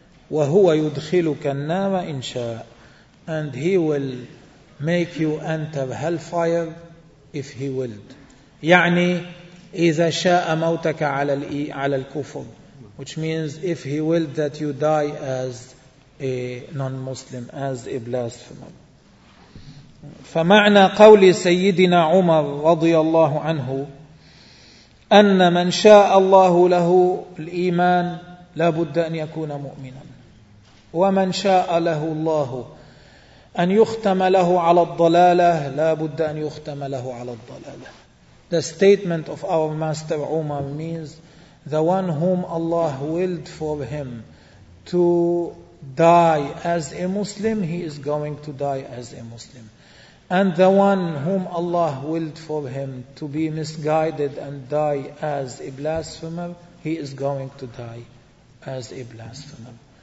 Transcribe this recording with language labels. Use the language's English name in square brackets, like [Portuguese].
[Arabic] وهو يدخلك النار إن شاء, [English] and he will make you enter hellfire if he willed. [Arabic] يعني إذا شاء موتك على الكفر, [English] which means if he willed that you die as a non-Muslim, as a blasphemer. [Arabic] فمعنى قول سيدنا عمر رضي الله عنه أن من شاء الله له الإيمان لا بد أن يكون مؤمنا, ومن شاء له الله أن يختم له على الضلالة لا بد أن يختم له على الضلالة. [English] The statement of our master Umar means the one whom Allah willed for him to die as a Muslim, he is going to die as a Muslim. And the one whom Allah willed for him to be misguided and die as a blasphemer, he is going to die as a blasphemer.